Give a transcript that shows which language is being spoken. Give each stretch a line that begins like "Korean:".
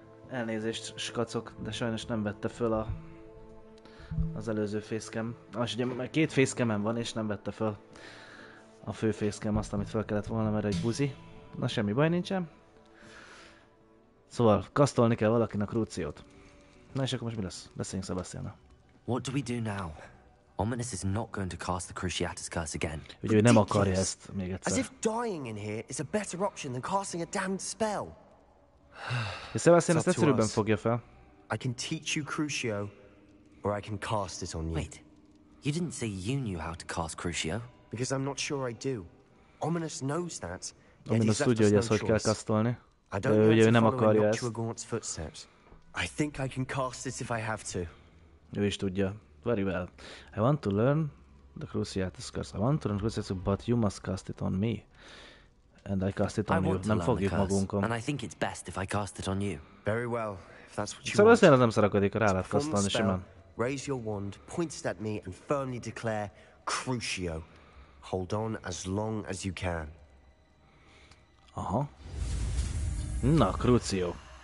Hungarian: Elnézést, skacok, de sajnos nem vette föl az előző fészkem. Most ugye már két fészkemem van, és nem vette föl a fő fészkem azt, amit fel kellett volna, mert egy buzi. Na, semmi baj nincsen. Szóval, kasztolni kell valakinek Ruciót. Na és akkor most mi lesz? Beszéljünk Sebastiana.
English: What do we do now? Ominous is not going to cast the Cruciatus curse again.
Hungarian: Ugye ő nem akarja ezt még egyszer.
English: As if dying in here is a better option than casting a damned spell.
Hungarian: És Sebastian ezt egyszerűbben fogja fel.
English: I can teach you Crucio, or I can cast it on you. Wait, you didn't say you knew how to cast Crucio. Because I'm not sure I do. Ominous knows that.
Hungarian: Ominous tudja, hogy ezt hogy kell kasztolni.
English: I don't know how to follow Noctua Gaunt's footsteps. I think I can cast it if I have to.
Hungarian: Ő is tudja.
English: Very well. I want to learn the Cruciatus curse. I want to learn Cruciatus, but you must cast it on me. And I cast it on you.
Hungarian: Nem fogjuk magunkon.
English: And I think it's best if I cast it on you. Very well, if that's what you want.
Hungarian: Szóval nem szarakodik, rá lehet kasztolni simán.
English: Raise your wand, point it at me, and firmly declare Crucio. Hold on as long as you can.
Hungarian: Aha. Na, Crucio.